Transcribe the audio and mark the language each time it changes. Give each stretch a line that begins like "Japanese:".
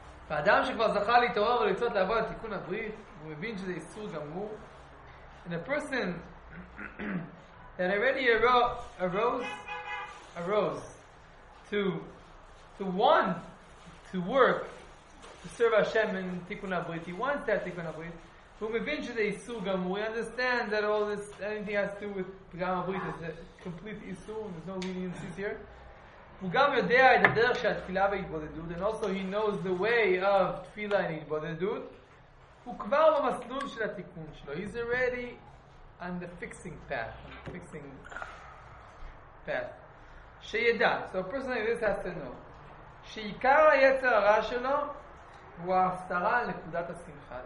Hebrew: והאדם שכבר זכה להתעורר ולצאת לעבוד לתיקון הברית, הוא מבין שזה איסור גמור.
English: And a person that already arose to want to work, to serve Hashem in תיקון הברית, he wants that תיקון הברית,
Hebrew: הוא מבין שזה איסור גמור,
English: he understands that all this, anything has to do with תיקון הברית is a complete איסור, there's no leniency here.
Hebrew: הוא גם יודע את הדרך של התפילה וההתבודדות,
English: and also he knows the way of
Hebrew: תפילה וההתבודדות. הוא כבר במסלול של התיקון שלו.
English: He's already on the fixing path. On the fixing path. שידע. So a person like this has to know.
Hebrew: שעיקר היצר הרע שלו הוא ההסתרה על נקודת השמחה.